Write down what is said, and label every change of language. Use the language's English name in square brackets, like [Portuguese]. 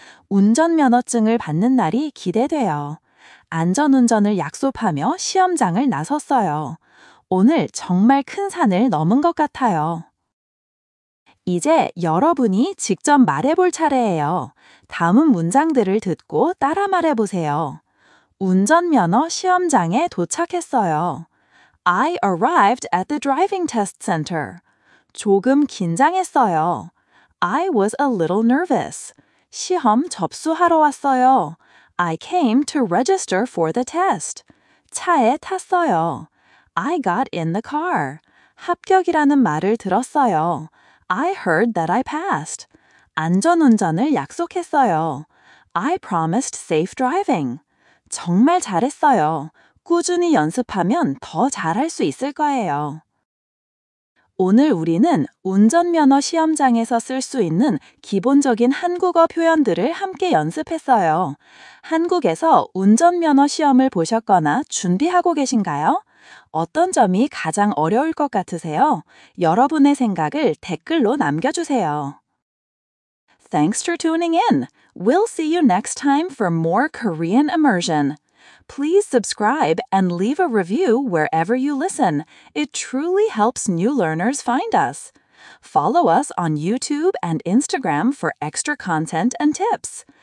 [Korean] 운전면허증을 받는 날이 기대돼요. 안전운전을 약속하며 시험장을 나섰어요. 오늘 정말 큰 산을 넘은 것 같아요. 이제 여러분이 직접 말해볼 차례예요. 다음 문장들을 듣고 따라 말해보세요. 운전면허 시험장에 도착했어요. [English] I arrived at the driving test center. [Korean] 조금 긴장했어요. [English] I was a little nervous. [Korean] 시험 접수하러 왔어요. [English] I came to register for the test. [Korean] 차에 탔어요. [English] I got in the car. [Korean] 합격이라는 말을 들었어요. [English] I heard that I passed. [Korean] 안전운전을 약속했어요. [English] I promised safe driving. [Korean] 정말 잘했어요. 꾸준히 연습하면 더 잘할 수 있을 거예요. 오늘 우리는 운전면허 시험장에서 쓸 수 있는 기본적인 한국어 표현들을 함께 연습했어요. 한국에서 운전면허 시험을 보셨거나 준비하고 계신가요? 어떤 점이 가장 어려울 것 같으세요? 여러분의 생각을 댓글로 남겨주세요. [English] Thanks for tuning in. We'll see you next time for more Korean immersion. Please subscribe and leave a review wherever you listen. It truly helps new learners find us. Follow us on YouTube and Instagram for extra content and tips.